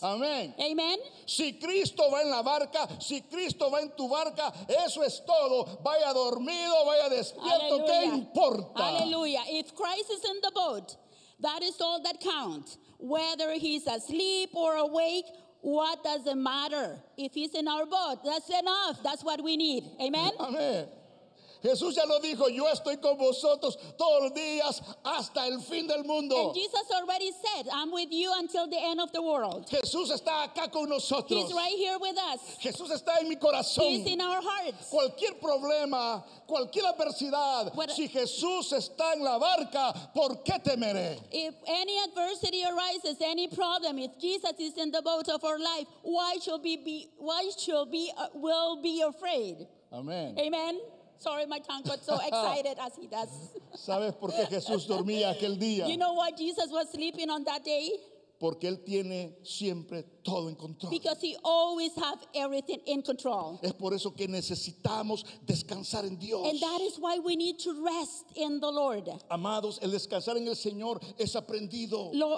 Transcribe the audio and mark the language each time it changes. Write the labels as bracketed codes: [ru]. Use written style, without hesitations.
[en] Amen. Amen. [es] Si Cristo va en la barca, si Cristo va en tu barca, eso es todo. Vaya dormido, vaya despierto, ¿qué importa? [en] Hallelujah. If Christ is in the boat, that is all that counts. Whether he's asleep or awake, what does it matter? If he's in our boat, that's enough. That's what we need. Amen? Amen. [es] Jesús ya lo dijo, yo estoy con vosotros todos los días hasta el fin del mundo. [en] And Jesus already said, I'm with you until the end of the world. [es] Jesús está acá con nosotros. [en] He's right here with us. [es] Jesús está en mi corazón. [en] He's in our hearts. [es] Cualquier problema, cualquier adversidad, si Jesús está en la barca, ¿por qué temeré? [en] If any adversity arises, any problem, if Jesus is in the boat of our life, why will we be afraid? Amen. Amen. Sorry, my tongue got so excited as he does. [es] ¿Sabes por qué Jesús dormía aquel día? [en] You know why Jesus was sleeping on that day? [es] Porque él tiene siempre todo en control. [en] Because he always have everything in control. [es] Es por eso que necesitamos descansar en Dios. [en] And that is why we need to rest in the Lord. [es] Amados, el descansar en el Señor es aprendido.